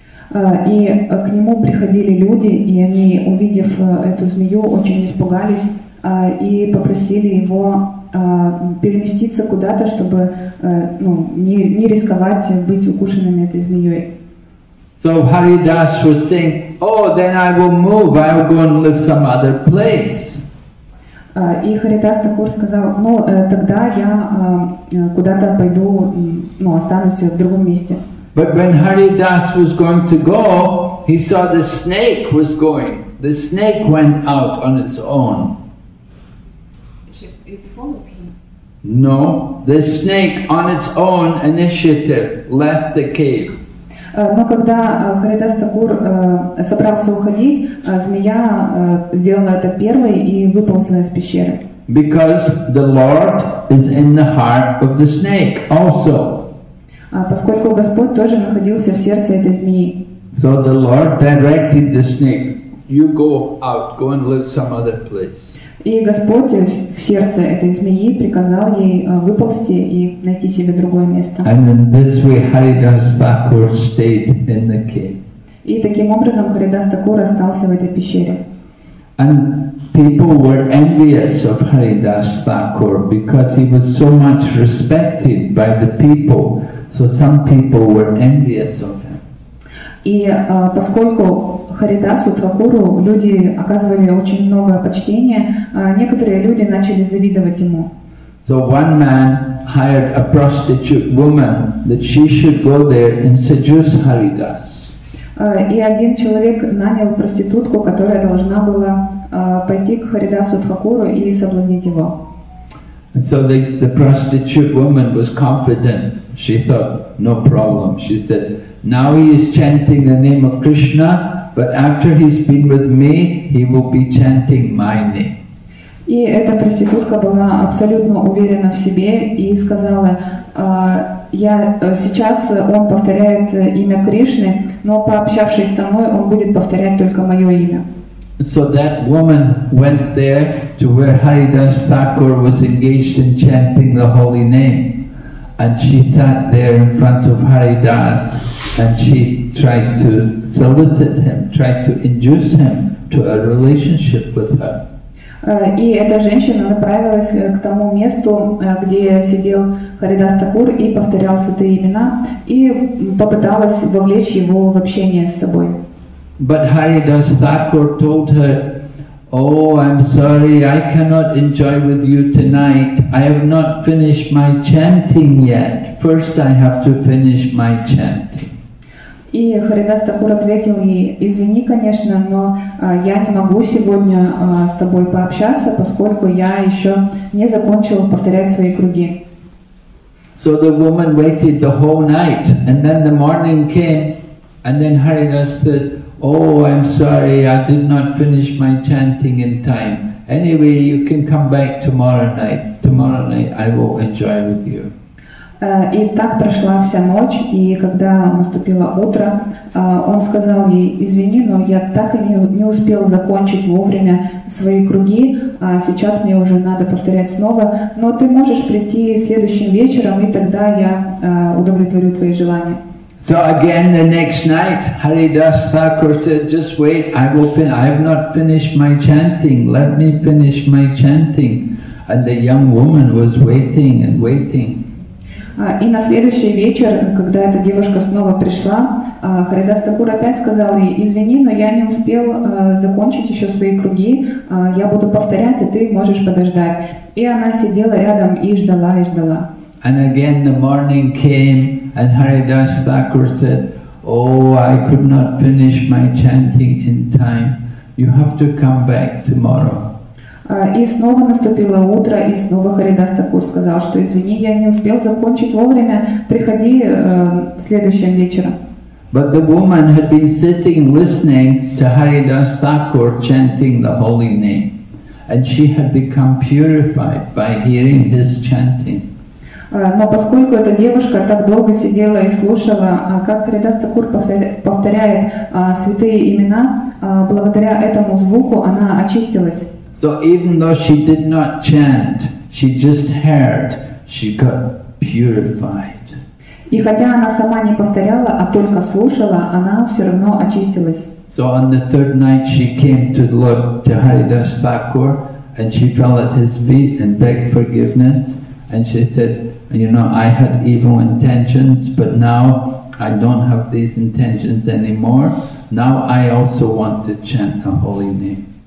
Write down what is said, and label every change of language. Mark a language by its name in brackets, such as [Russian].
[Russian] И к нему приходили люди, и они, увидев эту змею, очень испугались, и попросили его переместиться куда-то, чтобы не рисковать быть укушенными этой змеей. [English] So Haridas was saying, oh, then I will move, I will go and live some other place. [Russian] И Харидас Такур сказал, тогда я куда-то пойду и останусь в другом месте. [English] But when Haridas was going to go, he saw the snake was going. The snake went out on its own. No, the snake on its own initiative left the cave. [Russian] Но когда Харидас Такур собрался уходить, змея сделала это первой и выползла из пещеры. [English] Because the Lord is in the heart of the snake also. [Russian] Поскольку Господь тоже находился в сердце этой змеи. [English] So the Lord directed the snake, you go out, go and live some other place. [Russian] И Господь в сердце этой змеи приказал ей выползти и найти себе другое место. [English] And in this way, Haridas Thakur stayed in the cave. [Russian] И таким образом Харидас Такур остался в этой пещере. [English] And people were envious of Haridas Thakur because he was so much respected by the people. So some people were envious of him. [Russian] И поскольку Харидасу Такуру люди оказывали очень много почтения, некоторые люди начали завидовать ему. [English] So one man hired a prostitute woman that she should go there and seduce Haridas. [Russian] И один человек нанял проститутку, которая должна была пойти к Харидасу Тхакуру и соблазнить его. [English] And so the prostitute woman was confident. She thought, no problem. She said, now he is chanting the name of Krishna, but after he's been with me, he will be chanting my name. [Russian] И эта проститутка была абсолютно уверена в себе и сказала, я сейчас он повторяет имя Кришны, но пообщавшись со мной, он будет повторять только мое имя. [English] So that woman went there to where Haridas Thakur was engaged in chanting the holy name. And she sat there in front of Haridas and she tried to solicit him, tried to induce him to a relationship with her. [Russian] И эта женщина направилась к тому месту, где сидел Харидас Такур и повторял святые имена, и попыталась вовлечь его в общение с собой. [English] But Haridas Thakur told her, oh, I'm sorry, I cannot enjoy with you tonight. I have not finished my chanting yet. First I have to finish my chanting. [Russian] И Харидас Такур ответил ей, извини, конечно, но я не могу сегодня с тобой пообщаться, поскольку я еще не закончил повторять свои круги. [English] So the woman waited the whole night, and then the morning came, and then Haridas said, oh, I'm sorry, I did not finish my chanting in time. Anyway, you can come back tomorrow night. Tomorrow night I will enjoy with you. [Russian] И так прошла вся ночь, и когда наступило утро, он сказал ей, извини, но я так и не успел закончить вовремя свои круги, а сейчас мне уже надо повторять снова, но ты можешь прийти следующим вечером, и тогда я удовлетворю твои желания. [English] So again the next night, Haridas Thakur said, just wait, I have not finished my chanting, let me finish my chanting. And the young woman was waiting and waiting. [Russian] И на следующий вечер, когда эта девушка снова пришла, Харидас Такур опять сказал ей, извини, но я не успел закончить еще свои круги, я буду повторять, и ты можешь подождать. И она сидела рядом и ждала, и ждала. [English] And again the morning came, and Haridas Thakur said, oh, I could not finish my chanting in time. You have to come back tomorrow. [Russian] И снова наступило утро, и снова Харидас Такур сказал, что извини, я не успел закончить вовремя, приходи следующим вечером. [English] But the woman had been sitting listening to Haridas Thakur chanting the holy name, and she had become purified by hearing his chanting. [Russian] Но поскольку эта девушка так долго сидела и слушала, как Харидас Такур повторяет святые имена, благодаря этому звуку она очистилась. [English] So even though she did not chant, she just heard, she got purified. [Russian] И хотя она сама не повторяла, а только слушала, она все равно очистилась. [English] So on the third night she came to Lord Haridas Thakur and she fell at his feet and begged forgiveness. And she said, you know, I had evil intentions, but now I don't have these intentions anymore. Now I also want to chant the holy name.